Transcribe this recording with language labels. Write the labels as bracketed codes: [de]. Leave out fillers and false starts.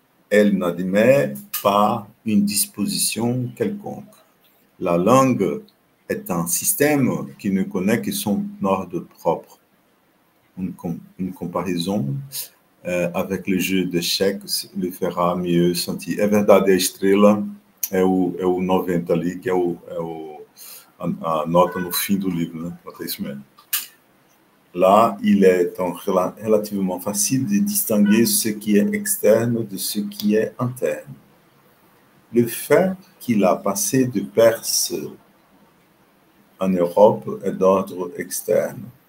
[fr] Elle n'admet pas une disposition quelconque. La langue est un système qui ne connaît que son ordre propre. Une comparaison avec le jeu d'échecs le fera mieux sentir. [pt] É verdade, a estrela é o 90 ali, que é a nota no fim do livro, né? É isso mesmo. [fr] Là, il est relativement facile de distinguer ce qui est externe de ce qui est interne. Le fait qu'il a passé de Perse en Europe est d'ordre externe.